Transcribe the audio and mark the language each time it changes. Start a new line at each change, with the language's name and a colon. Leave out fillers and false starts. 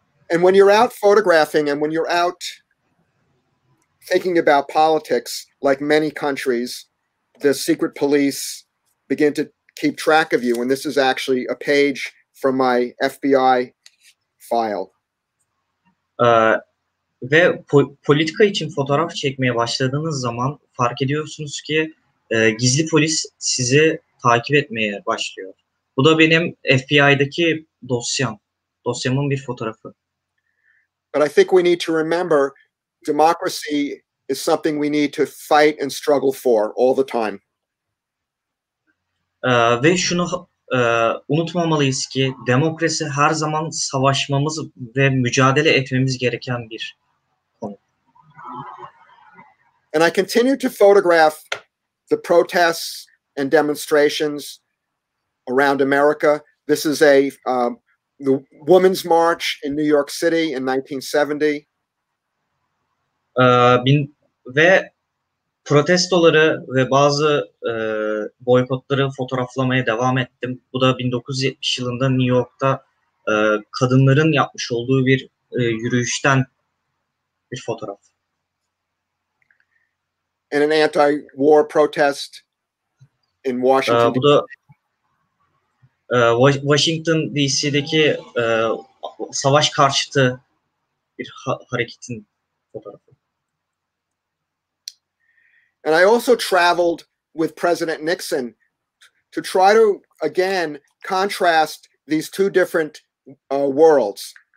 English: And when you're out photographing and when you're out thinking about politics, like many countries, the secret police begin to keep track of you. And this is actually a page from my FBI file.
Turkish: Ve politika için fotoğraf çekmeye başladığınız zaman fark ediyorsunuz ki gizli polis sizi takip etmeye başlıyor. Bu da benim FBI'daki dosyamın bir fotoğrafı.
English: But I think we need to remember democracy is something we need to fight and struggle for all the time.
Turkish: Ve şunu unutmamalıyız ki demokrasi her zaman savaşmamız ve mücadele etmemiz gereken bir konu.
English: And I continue to photograph the protests and demonstrations around America. This is a the Women's March in New York City in 1970.
Turkish: Ve protestoları ve bazı boykotları fotoğraflamaya devam ettim. Bu da 1970 yılında New York'ta kadınların yapmış olduğu bir yürüyüşten bir fotoğraf.
English: And an anti-war protest in Washington.
Turkish: Bu da Washington DC'deki savaş karşıtı bir hareketin fotoğrafı.
English: And I also traveled with President Nixon to try to again contrast these two different worlds.